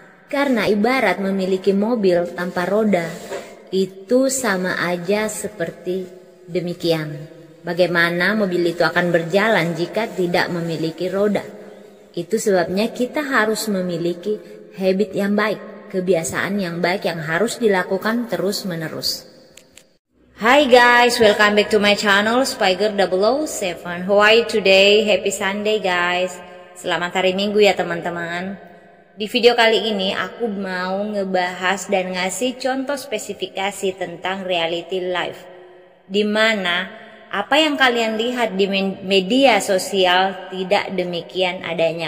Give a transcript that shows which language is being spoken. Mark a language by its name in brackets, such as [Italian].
[Indonesian] Karena ibarat memiliki mobil tanpa roda, itu sama aja seperti demikian. Bagaimana mobil itu akan berjalan jika tidak memiliki roda? Itu sebabnya kita harus memiliki habit yang baik, kebiasaan yang baik yang harus dilakukan terus-menerus. [English] Hi guys, welcome back to my channel Spiker007. How are you today? Happy Sunday guys. [Indonesian] Selamat hari Minggu ya teman-teman. Di video kali ini aku mau ngebahas dan ngasih contoh spesifikasi tentang reality life. Dimana apa yang kalian lihat di media sosial tidak demikian adanya.